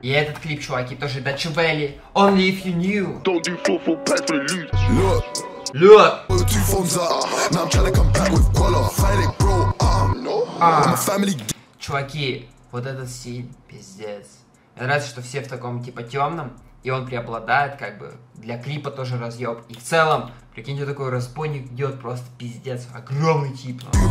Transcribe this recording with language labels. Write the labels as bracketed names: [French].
[Russian] И этот клип, чуваки, тоже Дачи Вэлли. [English] Only if you knew. Don't do four packs for the loot. [Russian] Чуваки, вот этот стиль, пиздец. Мне нравится, что все в таком, типа, темном. И он преобладает, как бы, для клипа тоже разъеб. И в целом, прикиньте, такой разбойник идет, просто пиздец. Огромный тип.